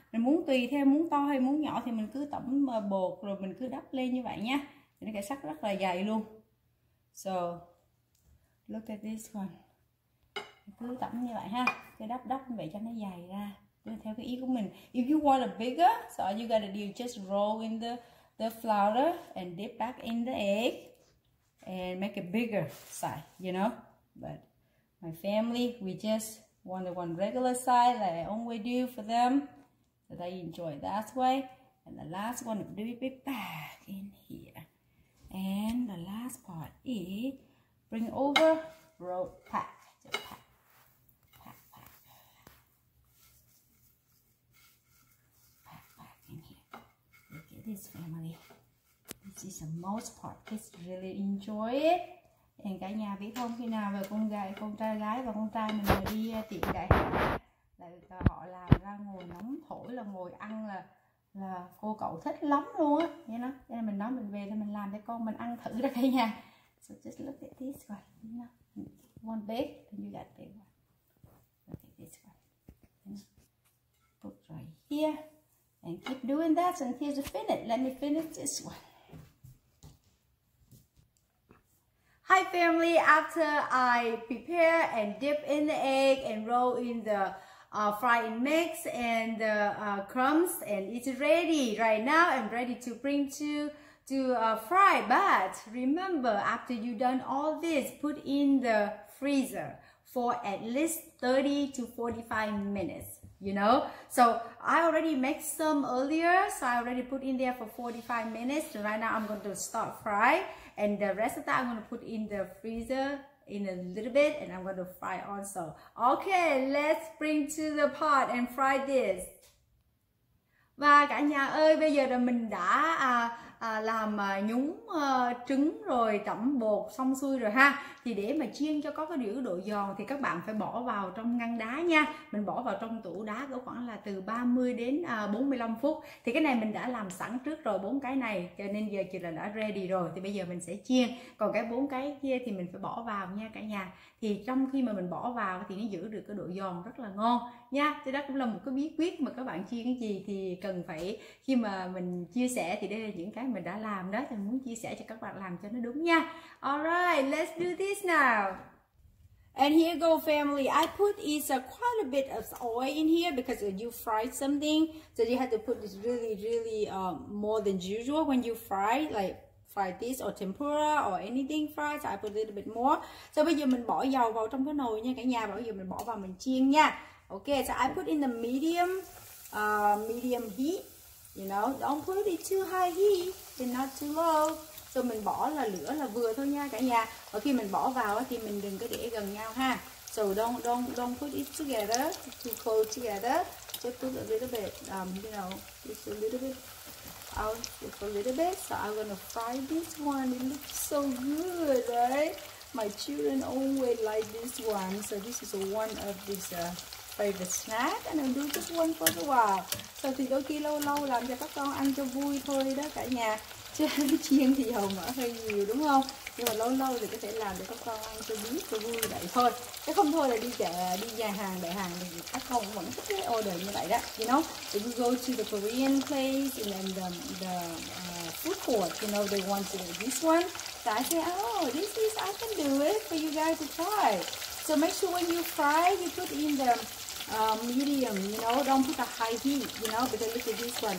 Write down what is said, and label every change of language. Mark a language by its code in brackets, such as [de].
[vi] Mình muốn tùy theo, muốn to hay muốn nhỏ thì mình cứ tẩm bột rồi mình cứ đắp lên như vậy nha. Nó cái sắc rất là dày luôn. [en] So, look at this one. [vi] Cứ tẩm như vậy ha. Cái đắp như vậy cho nó dày ra. Để theo cái ý của mình. [en] If you want a bigger, so all you gotta do is just roll in the flour and dip back in the egg. And make a bigger size, you know. But my family, we just want the one regular size like I always do for them. So they enjoy that way. And the last one, do it back in here. And the last part is bring over, roll, pack. Just pack in here. Look at this family. This is the most part. Kids really enjoy it. [vi] And cả nhà biết không, khi nào về con gái, con trai gái và con trai mình mà đi tiệm đại hàng là họ làm ra ngồi nóng thổi là ngồi ăn là cô cậu thích lắm luôn á, [en] you know? [vi] Nên mình nói mình về thì mình làm cho con mình ăn thử ra cả nhà. [en] So just look at this one, you know? One big, then you got big one. Look at this one. Put right here and keep doing that until you finish. Let me finish this one. family, after I prepare and dip in the egg and roll in the frying mix and the crumbs, and it's ready right now. I'm ready to bring to fry. But remember, after you done all this, put in the freezer for at least 30 to 45 minutes, you know? So I already made some earlier, so I already put in there for 45 minutes. So right now I'm going to start fry, and the rest of that I'm going to put in the freezer in a little bit, and I'm going to fry also. Okay, let's bring to the pot and fry this. [vi] Và cả nhà ơi, bây giờ là mình đã làm nhúng trứng rồi, tẩm bột xong xuôi rồi ha. Thì để mà chiên cho có cái độ giòn thì các bạn phải bỏ vào trong ngăn đá nha. Mình bỏ vào trong tủ đá có khoảng là từ 30 đến 45 phút. Thì cái này mình đã làm sẵn trước rồi, bốn cái này, cho nên giờ chị là đã ready rồi. Thì bây giờ mình sẽ chiên. Còn cái bốn cái kia thì mình phải bỏ vào nha cả nhà. Thì trong khi mà mình bỏ vào thì nó giữ được cái độ giòn rất là ngon nha. Thì đó cũng là một cái bí quyết mà các bạn chiên cái gì thì cần phải, khi mà mình chia sẻ thì đây là những cái mình đã làm đó, thì muốn chia sẻ cho các bạn làm cho nó đúng nha. [en] Alright, let's do this now. And here go family, I put is quite a bit of oil in here because you fry something, so you have to put this really really more than usual when you fry, like fry this or tempura or anything fried, so I put a little bit more. [vi] So bây giờ mình bỏ dầu vào trong cái nồi nha cả nhà, bây giờ mình bỏ vào mình chiên nha. [en] Okay, so I put in the medium heat. You know, don't put it too high heat and not too low. [vi] So mình bỏ là lửa là vừa thôi nha cả nhà. Và khi mình bỏ vào thì mình đừng có để gần nhau ha. [en] So don't put it together, too close together. Just put a little bit, you know, just a little bit out, just a little bit. So I'm gonna fry this one. It looks so good, right? My children always like this one. So this is one of these favorite snack, and I'll do this one for a while. [vi] So thì đôi khi lâu lâu làm cho các con ăn cho vui thôi đó cả nhà. Chứ chiên thì dầu mỡ hơi nhiều đúng không? Nhưng mà lâu lâu thì có thể làm cho các con ăn cho biết cho vui vậy thôi. Chứ không thôi là đi chợ, đi nhà hàng, đại hàng thì các con vẫn thích cái order như vậy đó. [en] You know, if you go to the Korean place and then food court, you know, they want to this one. So I say, oh, this is, I can do it for you guys to try. So make sure when you fry, you put in the medium, you know, don't put a high heat, you know, because look at this one.